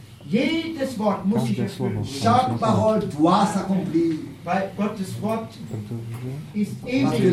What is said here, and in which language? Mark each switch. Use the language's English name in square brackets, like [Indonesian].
[German] Jedes Wort muss sich erfüllen. [French] Chaque parole doit s'accomplir. [German] Weil Gottes Wort ist ewig.